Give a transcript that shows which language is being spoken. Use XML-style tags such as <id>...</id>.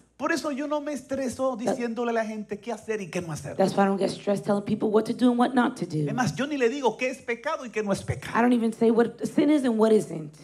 <es>Por eso yo no me estreso diciéndole a la gente qué hacer y qué no hacer.</es> <en>That's why I don't get stressed telling people what to do and what not to do.</en> <es>Además, yo ni le digo qué es pecado y qué no es pecado.</es> <en>I don't even say what sin is and what isn't.</en>